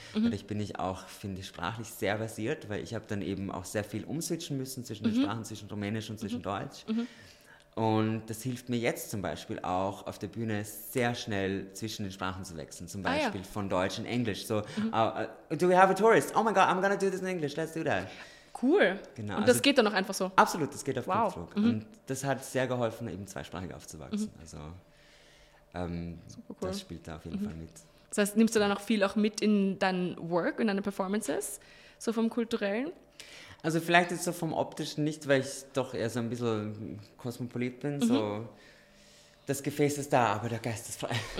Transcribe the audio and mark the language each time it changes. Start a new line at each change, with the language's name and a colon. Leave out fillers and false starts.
German: Dadurch bin ich auch, finde ich, sprachlich sehr versiert, weil ich habe dann eben auch sehr viel umswitchen müssen zwischen den Sprachen, zwischen Rumänisch und zwischen Deutsch. Und das hilft mir jetzt zum Beispiel auch auf der Bühne sehr schnell zwischen den Sprachen zu wechseln, zum Beispiel von Deutsch in Englisch.
English: So, do we have a tourist? Oh my God, I'm gonna do this in English, let's do that.
German: Cool. Genau. Und das geht dann auch einfach so? Absolut, das geht auf Knopfdruck. Mhm. Und das hat sehr geholfen, eben zweisprachig aufzuwachsen. Mhm. Also super cool. Das spielt da auf jeden Fall mit. Das heißt, nimmst du dann auch viel auch mit in dein Work, in deine Performances, so vom Kulturellen? Also vielleicht jetzt so vom Optischen nicht, weil ich doch eher so ein bisschen kosmopolit bin, so das Gefäß ist da, aber der Geist ist frei.